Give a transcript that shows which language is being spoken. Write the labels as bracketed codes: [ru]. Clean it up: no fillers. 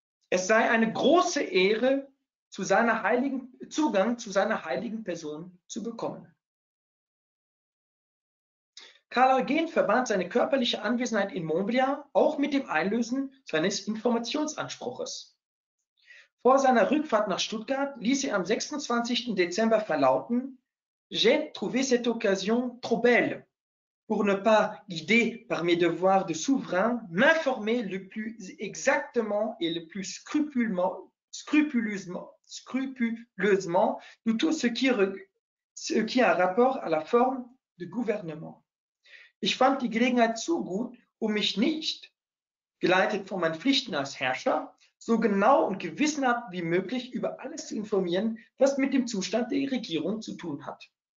[de] Es sei eine große Ehre, Zugang zu seiner heiligen Person zu bekommen. Karl Eugen verband seine körperliche Anwesenheit in Montbéliard auch mit dem Einlösen seines Informationsanspruches. Vor seiner Rückfahrt nach Stuttgart ließ er am 26. Dezember verlauten, [fr] J'ai trouvé cette occasion trop belle, pour ne pas guider par mes devoirs de souverain, m'informer le plus exactement et le plus scrupuleusement de tout ce qui a rapport à la forme de gouvernement. [de] Ich fand die Gelegenheit zu gut, um mich nicht, geleitet von meinen Pflichten als Herrscher, so genau und gewissenhaft wie möglich über alles zu informieren, was mit dem Zustand der Regierung zu tun hat.